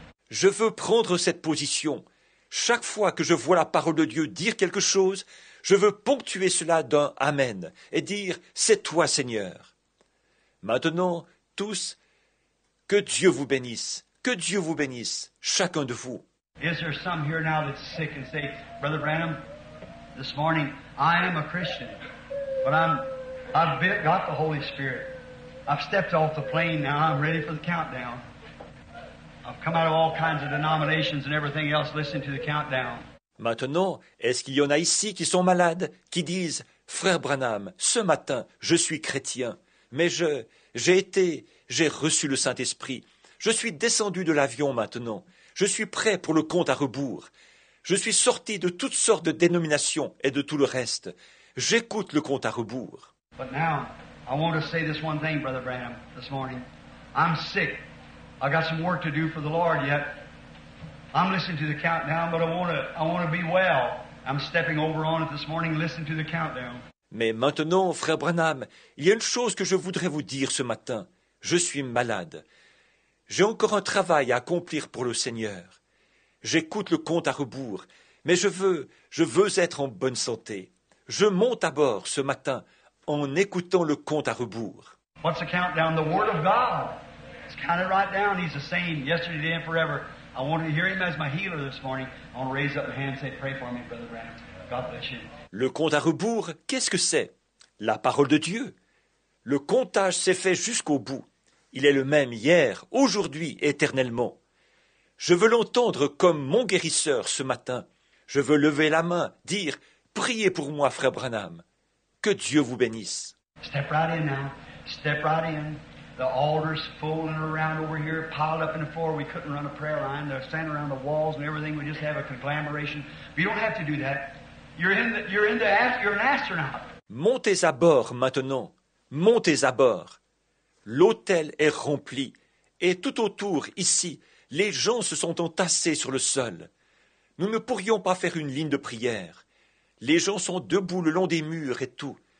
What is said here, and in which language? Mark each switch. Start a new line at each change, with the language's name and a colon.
French: Je veux prendre cette position. Chaque fois que je vois la parole de Dieu dire quelque chose, je veux ponctuer cela d'un « Amen » et dire « C'est toi, Seigneur ». Maintenant, tous, que Dieu vous bénisse. Que Dieu vous bénisse, chacun de vous.
English: Is there some here now that's sick and say, Brother Branham, this morning, I am a Christian, but I've got the Holy Spirit. I've stepped off the plane now. I'm ready for the countdown. I've come out of all kinds of denominations and everything else listening to the countdown.
French: Maintenant, est-ce qu'il y en a ici qui sont malades, qui disent, Frère Branham, ce matin, je suis chrétien, mais j'ai reçu le Saint-Esprit. Je suis descendu de l'avion maintenant. Je suis prêt pour le compte à rebours. Je suis sorti de toutes sortes de dénominations et de tout le reste. j'écoute le compte à rebours.
English: But now, I want to say this one thing, Brother Branham, this morning. I'm sick. I got some work to do for the Lord yet. I'm listening to the countdown, but I want to be well. I'm stepping over on it this morning, listening to the countdown.
French: Mais maintenant, Frère Branham, il y a une chose que je voudrais vous dire ce matin. Je suis malade. J'ai encore un travail à accomplir pour le Seigneur. J'écoute le compte à rebours, mais je veux être en bonne santé. Je monte à bord ce matin en écoutant le compte à rebours.
English: What's the countdown? The Word of God. It's counted right down. He's the same yesterday, today, and forever. I want to hear him as my healer this morning. I want to raise up my hand and say, pray for me, Brother Branham. God bless you.
French: Le compte à rebours, qu'est-ce que c'est? La parole de Dieu. Le comptage s'est fait jusqu'au bout. Il est le même hier, aujourd'hui, éternellement. Je veux l'entendre comme mon guérisseur ce matin. Je veux lever la main, dire, priez pour moi, Frère Branham. Que Dieu vous bénisse.
English: Step right in now. Step right in. The altar's folding around over here, piled up in the floor. We couldn't run a prayer line. They're standing around the walls and everything. We just have a conglomeration. But you don't have to do that. You're an astronaut.
French: Montez à bord maintenant. Montez à bord. L'hôtel est rempli. Et tout autour, ici, les gens se sont entassés sur le sol. Nous ne pourrions pas faire une ligne de prière. Les gens sont debout le long des murs et tout.